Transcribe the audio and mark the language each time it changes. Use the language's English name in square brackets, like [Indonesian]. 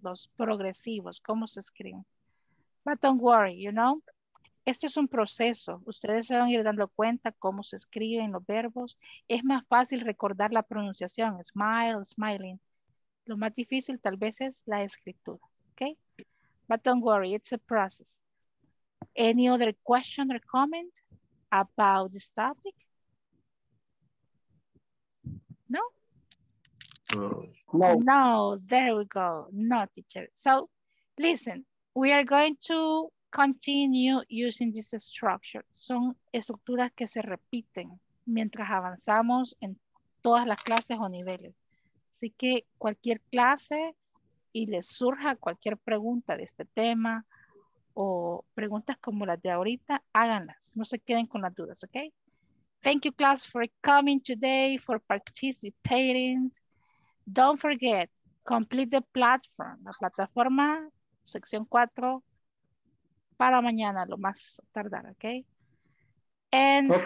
[Spanish] Los progresivos, ¿cómo se escriben? [English] But don't worry, you know, [Spanish] este es un proceso. Ustedes se van a ir dando cuenta cómo se escriben los verbos. Es más fácil recordar la pronunciación, smile, smiling. Lo más difícil tal vez es la escritura, okay? [English] But don't worry, it's a process. Any other question or comment about this topic? No? No. No, there we go. No, teacher. So, listen. We are going to continue using this structure. [Spanish] Son estructuras que se repiten mientras avanzamos en todas las clases o niveles. Así que cualquier clase y les surja cualquier pregunta de este tema o preguntas como las de ahorita, háganlas. No se queden con las dudas, ¿ok? [English] Thank you, class, for coming today, for participating. Don't forget, complete the platform, [Spanish] la plataforma. Sección 4 para mañana, lo más tardar, ¿ok? And okay.